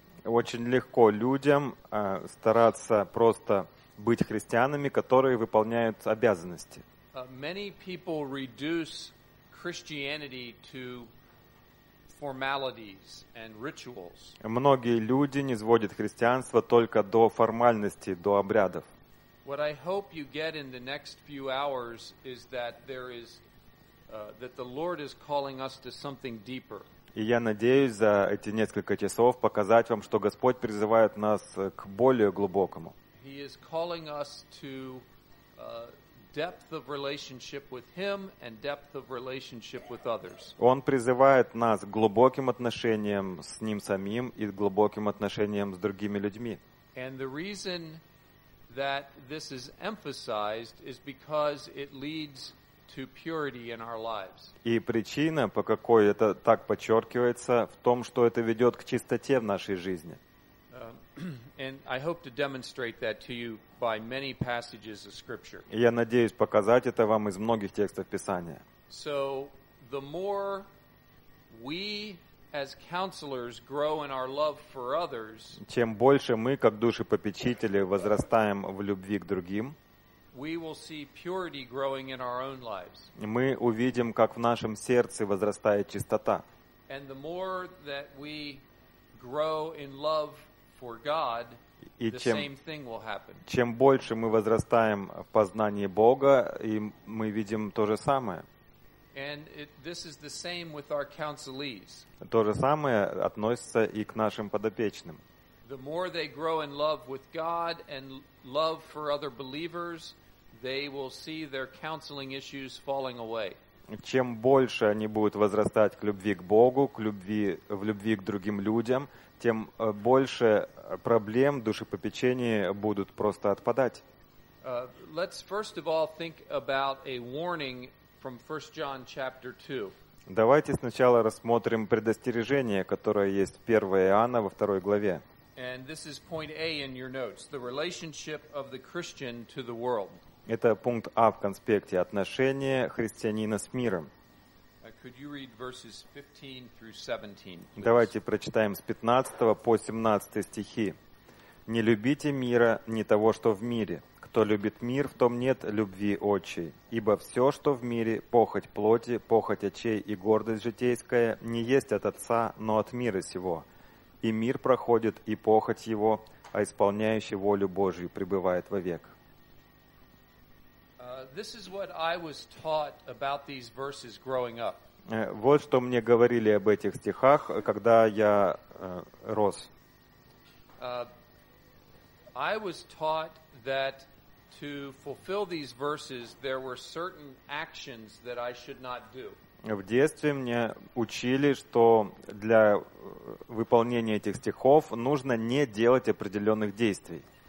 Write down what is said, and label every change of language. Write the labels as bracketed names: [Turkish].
[Russian] Очень легко людям стараться просто быть христианами, которые выполняют обязанности. [English] Many people reduce Christianity to formalities and rituals. [Russian] Многие люди низводят христианство только до формальности, до обрядов. [English] What I hope you get in the next few hours is that there is that the Lord is calling us to something deeper. [Russian] И я надеюсь за эти несколько часов показать вам, что Господь призывает нас к более глубокому. [English] He is calling us to depth of relationship with him and depth of relationship with others. [Russian] Он призывает нас к глубоким отношениям с ним самим и к глубоким отношениям с другими людьми. [English] And the reason that this is emphasized is because it leads to purity in our lives. [Russian] И причина, по какой это так подчеркивается, в том, что это ведет к чистоте в нашей жизни. [English] And I hope to demonstrate that to you by many passages of Scripture. [Russian] Я надеюсь показать это вам из многих текстов Писания. [English] So the more we as counselors grow in our love for others, [Russian] чем больше мы как души попечители возрастаем в любви к другим, [English] we will see purity growing in our own lives. [Russian] Мы увидим, как в нашем сердце возрастает чистота. [English] And the more that we grow in love for God, the same thing will happen. [Russian] Чем больше мы возрастаем в познании Бога, и мы видим то же самое. [English] And this is the same with our counselees. [Russian] То же самое относится и к нашим подопечным. [English] The more they grow in love with God and love for other believers, they will see their counseling issues falling away. [Russian] Чем больше они будут возрастать к любви к Богу, к любви, в любви к другим людям, тем больше проблем душепопечения будут просто отпадать. [English] Let's first of all think about a warning from 1 John chapter 2. [Russian] Давайте сначала рассмотрим предостережение, которое есть в 1 Иоанна во 2 главе. [English] And this is point A in your notes, the relationship of the Christian to the world. [Russian] Это пункт А в конспекте, отношение христианина с миром. [English] Could you read verses 15 through 17, please? [Russian] Давайте прочитаем с 15 по 17 стихи. «Не любите мира, ни того, что в мире. Кто любит мир, в том нет любви отчей. Ибо все, что в мире, похоть плоти, похоть очей и гордость житейская, не есть от Отца, но от мира сего. И мир проходит, и похоть его, а исполняющий волю Божию пребывает вовек». [English] This is what I was taught about these verses growing up. [Russian] Вот что мне говорили об этих стихах, когда я рос. [English] I was taught that to fulfill these verses, there were certain actions that I should not do. [Russian] В детстве мне учили, что для выполнения этих стихов нужно не делать определенных действий.